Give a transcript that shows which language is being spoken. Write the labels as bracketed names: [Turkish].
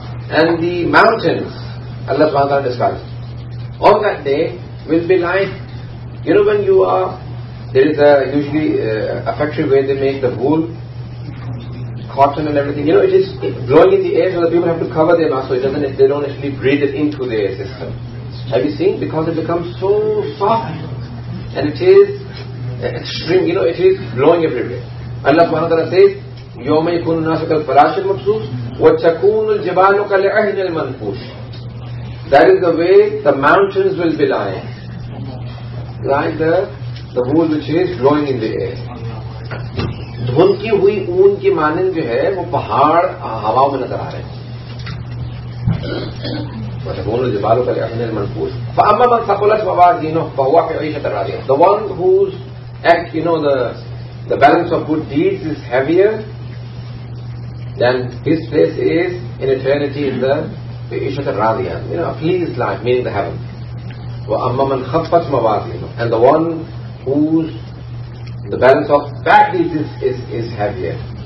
[English] And the mountains, Allah SWT describes, on that day will be like, you know, when you are, there is a usually a factory where they make the wool, cotton and everything, you know, it is blowing in the air, so the people have to cover their mouth so it doesn't, they don't actually breathe it into the air system. Have you seen? Because it becomes so soft and it is extreme, you know, it is blowing everywhere. Allah SWT says, [Arabic] يوم يكون الناس كالفراش المبثوث وتكون الجبال كالعهن المنفوش. [English] That is the way the mountains will be lying, like the wool which is blowing in the air. [Hindi] धुन की हुई ऊन की मानिंद जो है वो पहाड़ हवाओं में नजर आ रहे हैं. [Arabic] وتكون الجبال كالعهن المنفوش. فأما من ثقلت موازينه فهو في عيشة راضية. [English] The one whose act, you know, the balance of good deeds is heavier, then his place is in eternity in the Ishaqa Radiya, you know, a pleased life, meaning the heaven. [Arabic] وَأَمَّا مَنْ خَفَّتْ مَوَازِينُ, [English] and the one whose the balance of bad deeds is heavier.